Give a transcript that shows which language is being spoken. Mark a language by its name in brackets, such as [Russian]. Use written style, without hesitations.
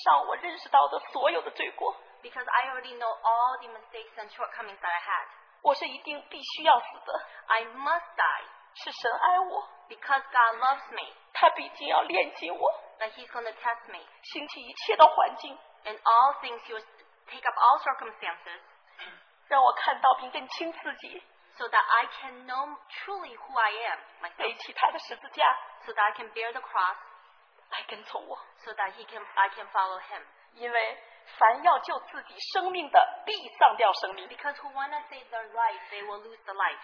[Chinese] 因着以上我认识到的所有的罪过, [English] because I already know all the mistakes and shortcomings that I had. [Chinese] 我是一定必须要死的, [English] I must die. [Chinese] 是神爱我, [English] because God loves me. [Chinese] 他必定要炼净我, [English] that he's going to test me. [Chinese] 兴起一切的环境, [English] and all things, he will take up all circumstances. [Chinese] 让我看到并更清自己, [English] so that I can know truly who I am. [Chinese] 背起他的十字架, [English] so that I can bear the cross. [Chinese] 来跟从我, [English] so that I can follow him. [Chinese] 因为, 凡要救自己生命的, [English] because who want to save their life, they will lose the life.